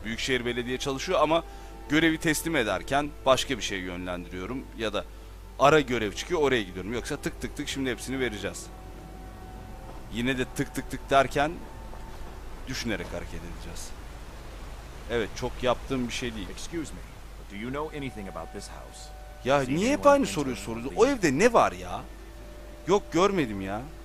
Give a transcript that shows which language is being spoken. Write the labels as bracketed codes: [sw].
[tr] Büyükşehir Belediye çalışıyor ama görevi teslim ederken başka bir şey yönlendiriyorum. Ya da ara görev çıkıyor, oraya gidiyorum. Yoksa tık tık tık şimdi hepsini vereceğiz. Yine de tık tık tık derken düşünerek hareket edeceğiz. Evet, çok yaptığım bir şey değil. [en] Excuse me, do you know anything about this house? [tr] Ya niye hep aynı soruyu soruyorsun? O evde ne var ya? Yok, görmedim ya.